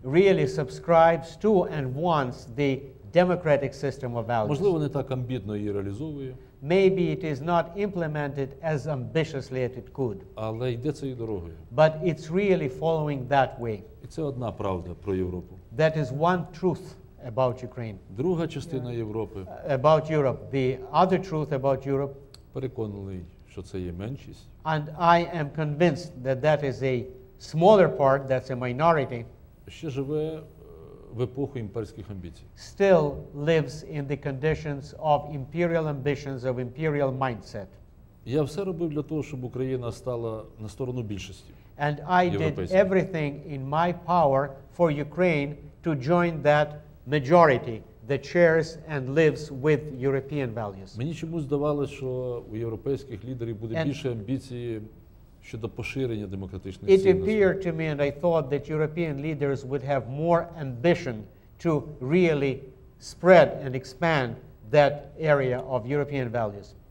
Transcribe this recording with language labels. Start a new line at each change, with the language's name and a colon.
English: Really subscribes to and wants the democratic system of values.
Ukrainian: Можливо, не так амбітно її реалізовує.
English: Maybe it is not implemented as ambitiously as it could.
Ukrainian: Але йде цією дорогою.
English: But it's really following that way.
Ukrainian: І це одна правда про Європу.
English: That is one truth about Ukraine.
Ukrainian: Друга частина Європи.
English: About Europe. The other truth about Europe.
Ukrainian: Переконаний, що це є меншість.
English: And I am convinced that that is a smaller part, that's a minority.
Ukrainian: Ще живе в епоху імперських амбіцій.
English: Still lives in the conditions of imperial ambitions, of imperial mindset.
Ukrainian: Я все робив для того, щоб Україна стала на сторону більшості.
English: And I did everything in my power for Ukraine to join that majority that shares and lives with European values.
Ukrainian: Мені чомусь здавалося, що у європейських лідерів буде більше амбіції щодо поширення демократичних цінностей.
English: It appeared to me, and I thought that European leaders would have more ambition to really spread and expand that area of European values.